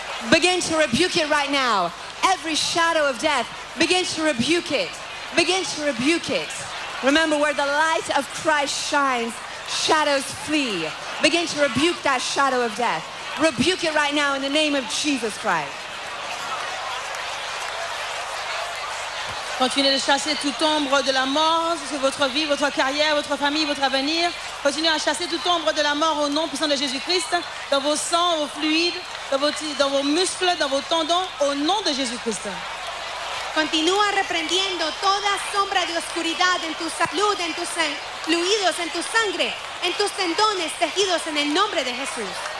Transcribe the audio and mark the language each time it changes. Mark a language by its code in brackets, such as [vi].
[en] Begin to rebuke it right now. Every shadow of death, begin to rebuke it. Begin to rebuke it. Remember, where the light of Christ shines, shadows flee. Begin to rebuke that shadow of death. Rebuke it right now in the name of Jesus Christ. [fr] Continuez de chasser toute ombre de la mort sur votre vie, votre carrière, votre famille, votre avenir. Continuez à chasser toute ombre de la mort au nom puissant de Jésus-Christ, dans vos sangs, vos fluides, dans vos muscles, dans vos tendons, au nom de Jésus-Christ. [es] Continúa reprendiendo toda sombra de oscuridad en tu salud, en tus fluidos, en tu sangre, en tus tendones, tejidos, en el nombre de Jesús.